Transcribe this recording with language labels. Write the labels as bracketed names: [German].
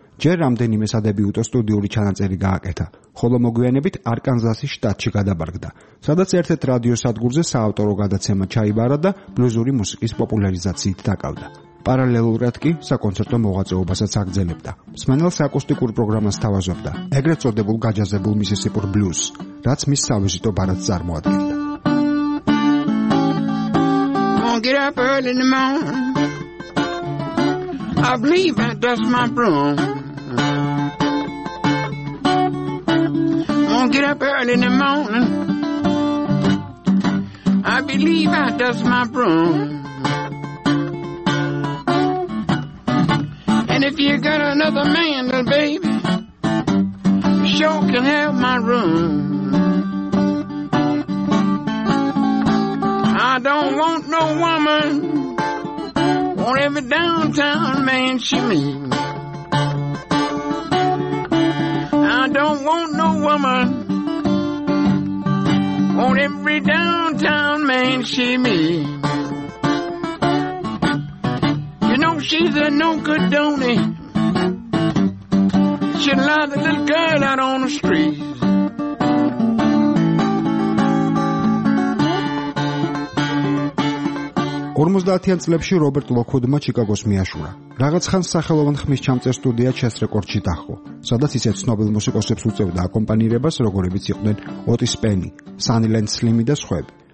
[Georgian] ჯერ რამდენიმე სადებიუტო სტუდიური ჩანაწერი გააკეთა, ხოლო მოგვიანებით არკანზასის შტატში გადაბარგდა, სადაც ერთ-ერთ რადიოსადგურზე საავტორო გადაცემა ჩაიბარა და ბლუზური მუსიკის პოპულარიზაციით დაკავდა. პარალელურად კი საკონცერტო მოღვაწეობასაც აგრძელებდა. მსმენელს აკუსტიკურ პროგრამას თავაზობდა, ეგრეთ წოდებულ გაჯაზებულ მისისიპურ ბლუზს, რაც მის სავიზიტო ბარათს წარმოადგენდა. [English] Get up early in the morning, I believe I dust my broom. Gonna get up early in the morning, I believe I dust my broom. And if you got another man, then baby, sure can have my room. I don't want no woman on every downtown man she meets. I don't want no woman on every downtown man she meets. You know she's a no good donny. She loves a little girl out on the street. [Georgian] ორმოცდაათიან წლებში რობერტ ლოკვუდმა ჩიკაგოს მიაშურა. რაღაც ხანს სახელოვან ხმისჩამწერ სტუდია ჩეს რეკორდში დახო, სადაც ისეთ ცნობილ მუსიკოსებს უწევდა აკომპანირებას, როგორებიც იყვნენ ოტის პენი, სანილენ სლიმი და სხვები.